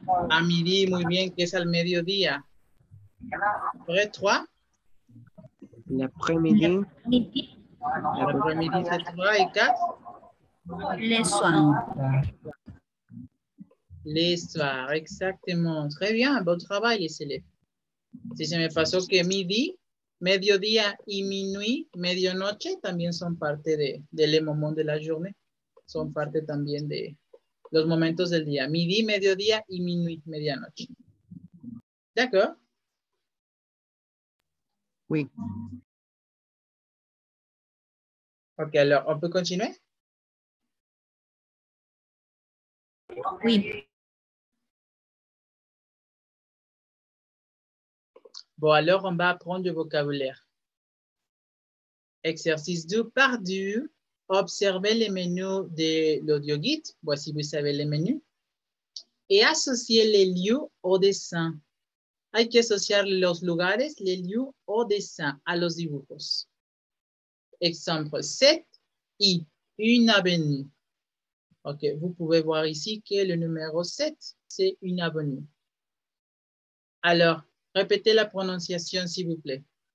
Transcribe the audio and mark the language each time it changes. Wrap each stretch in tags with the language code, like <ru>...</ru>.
<es>A midi, muy bien, que es al mediodía.</es> <fr>Après, trois. L'après-midi. L'après-midi, c'est trois et quatre. Les soirs. Les soirs, exactement. Très bien, bon travail, Célèbre.</fr> <es>Si se me pasó que midi, mediodía y minuit, medianoche, también son parte de, del</es> <fr>moment de la journée.</fr> <es>Son parte también de los momentos del día. Midi, mediodía y minuit, medianoche.</es> <fr>D'accord. Oui. Ok, alors, on peut continuer? Oui. Bon, alors, on va apprendre du vocabulaire. Exercice 2, part 2. Observez les menus de l'audio guide. Voici, vous savez les menus. Et associez les lieux au dessin.</fr> <es>Hay que asociar los lugares,</es> <fr>les lieux</fr> <es>o dessins a los dibujos.</es> <fr>Exemple 7 y une avenue. Ok, vous pouvez voir ici que le numéro 7, c'est une avenue. Alors, répétez la prononciation, s'il vous plaît.</fr>